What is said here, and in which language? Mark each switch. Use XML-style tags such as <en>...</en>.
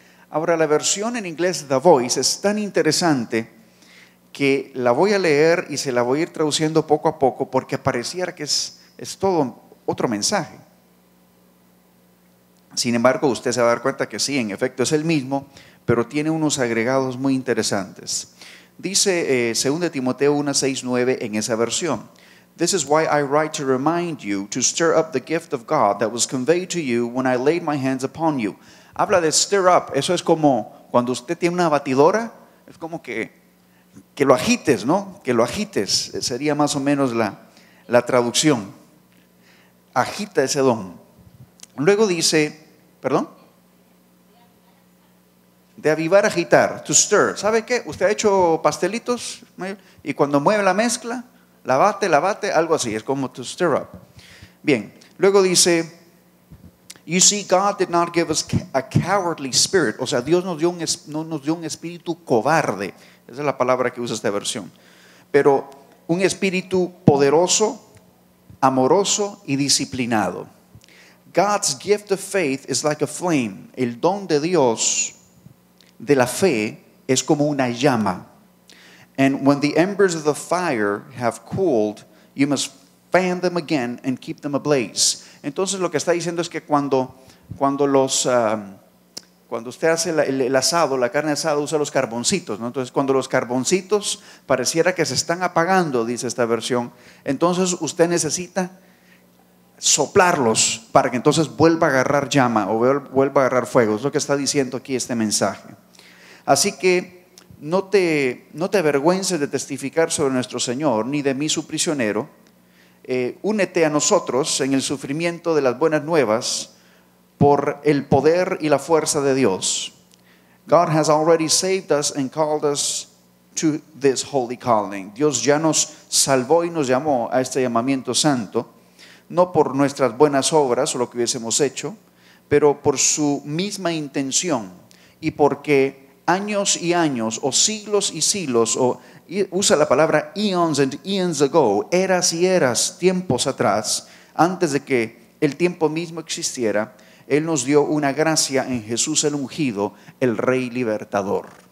<es>Ahora, la versión en inglés, The Voice, es tan interesante que la voy a leer y se la voy a ir traduciendo poco a poco, porque pareciera que es todo otro mensaje. Sin embargo, usted se va a dar cuenta que sí, en efecto es el mismo, pero tiene unos agregados muy interesantes. Dice 2 Timoteo 1:6-9 en esa versión:</es> <en>"This is why I write to remind you to stir up the gift of God that was conveyed to you when I laid my hands upon you."</en> <es>Habla de stir up, eso es como cuando usted tiene una batidora, es como que lo agites, ¿no? Que lo agites, sería más o menos la traducción. Agita ese don. Luego dice, perdón, de avivar, agitar, to stir. ¿Sabe qué? Usted ha hecho pastelitos y cuando mueve la mezcla, la bate, algo así, es como to stir up. Bien, luego dice,</es> <en>"You see, God did not give us a cowardly spirit."</en> <es>O sea, Dios no nos dio un espíritu cobarde. Esa es la palabra que usa esta versión. Pero un espíritu poderoso, amoroso y disciplinado.</es> <en>"God's gift of faith is like a flame."</en> <es>El don de Dios de la fe es como una llama.</es> <en>"And when the embers of the fire have cooled, you must fan them again and keep them ablaze."</en> <es>Entonces lo que está diciendo es que cuando usted hace el asado, la carne asada, usa los carboncitos, ¿no? Entonces cuando los carboncitos pareciera que se están apagando, dice esta versión, entonces usted necesita soplarlos para que entonces vuelva a agarrar llama o vuelva a agarrar fuego. Es lo que está diciendo aquí este mensaje. Así que no te avergüences de testificar sobre nuestro Señor, ni de mí su prisionero. Únete a nosotros en el sufrimiento de las buenas nuevas por el poder y la fuerza de Dios.</es> <en>God has already saved us and called us to this holy calling.</en> <es>Dios ya nos salvó y nos llamó a este llamamiento santo, no por nuestras buenas obras o lo que hubiésemos hecho, pero por su misma intención y porque años y años o siglos y siglos, o usa la palabra</es> <en>eons and eons ago,</en> <es>eras y eras, tiempos atrás, antes de que el tiempo mismo existiera, Él nos dio una gracia en Jesús el ungido, el Rey Libertador.</es>